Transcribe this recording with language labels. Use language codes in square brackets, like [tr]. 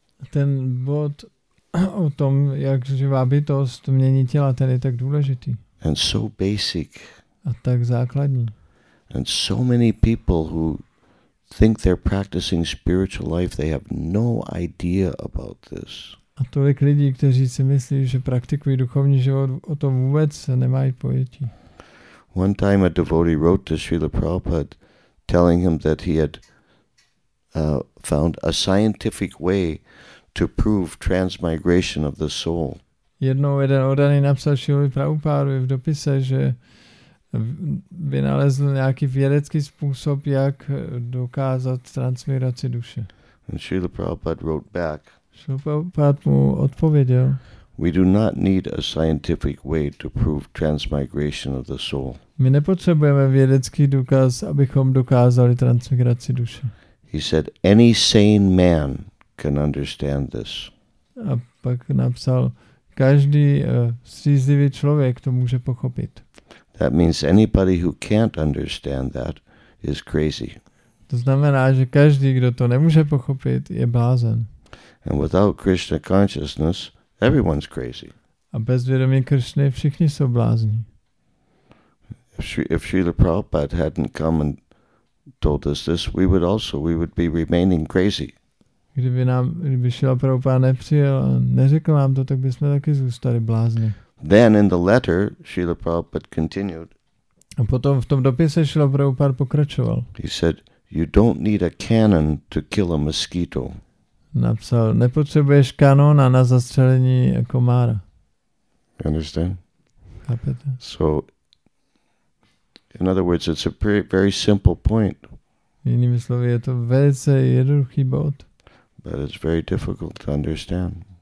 [cs] Ten bod o tom, jak živá bytost mění těla, ten je tak důležitý. [en] And so basic. [cs] A tak základní. [en] And so many people who think they're practicing spiritual life, they have no idea about this. [cs] A tolik lidí, kteří si myslí, že praktikují duchovní život, o tom vůbec nemají pojetí. [en] One time a devotee wrote to Srila Prabhupada telling him that he had found a scientific way to prove transmigration of the soul. [cs] Jednou jeden oddaný napsal Srila Prabhupada v dopise, že vynalezl nějaký vědecký způsob, jak dokázat transmigraci duše. [en] And Srila Prabhupada wrote back. [cs] Srila Prabhupada mu odpověděl. [en] We do not need a scientific way to prove transmigration of the soul. [cs] My nepotřebujeme vědecký důkaz, abychom dokázali transmigraci duše. [en] He said, any sane man can understand this. [cs] A pak napsal, každý střízlivý člověk to může pochopit. [en] That means anybody who can't understand that is crazy. [cs] To znamená, že každý, kdo to nemůže pochopit, je blázen. [en] And without Krishna consciousness, everyone's crazy. [cs] A bez vědomí Krishny všichni jsou blázni. [en] If Srila Prabhupada hadn't come and told us this, we would be remaining crazy. [cs] Kdyby Srila Prabhupada nepřijel a neřekl nám to, tak bychom taky zůstali blázni. [en] Then in the letter, Srila Prabhupada continued. [cs] A potom v tom dopise Srila Prabhupada pokračoval. [en] He said, you don't need a cannon to kill a mosquito. [cs] Napsal, nepotřebuješ kanona na zastřelení komára. [en] Understand? [cs] Chápete? [en] So, in other words, it's a very, very simple point. [cs] Jinými slovy, je to velice jednoduchý bod. [en] But it's very difficult to understand.